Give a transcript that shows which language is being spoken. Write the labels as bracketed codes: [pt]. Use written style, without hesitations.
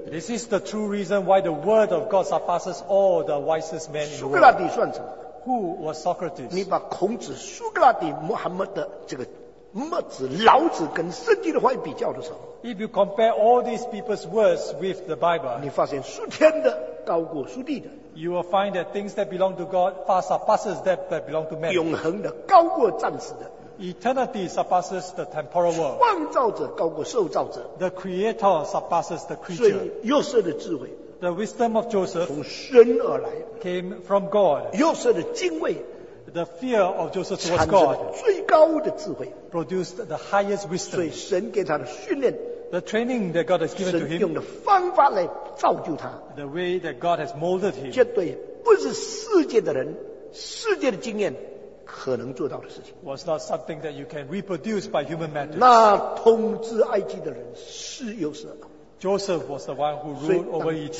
[en] This is the true reason why the word of God surpasses all the wisest men in the world. [zh] 苏格拉底算什么？ [en] Who was Socrates? [zh] 你把孔子、苏格拉底、穆罕默德这个 墨子、老子跟圣经的话语比较的时候， [en] If you compare all these people's words with the Bible, [zh] 你发现属天的高过属地的， [en] You will find that things that belong to God far surpasses that that belong to man. [zh] 永恒的高过暂时的， [en] Eternity surpasses the temporal world. [zh] 创造者高过受造者， [en] The creator surpasses the creature. [zh] 所以约瑟的智慧， [en] The wisdom of Joseph [zh] 从神而来， [en] came from God. [zh] 约瑟的敬畏， [en] The fear of Joseph towards God [zh] 最高的智慧， [en] produced the highest wisdom. [zh] 所以神给他的训练， [en] The training that God has given to him, [zh] 神用的方法来造就他， [en] The way that God has molded him, [zh] 绝对不是世界的人， 世界的经验可能做到的事情， [en] was not something that you can reproduce by human methods. [zh] 那统治埃及的人， 是约瑟， [en] Joseph was the one who ruled over Egypt.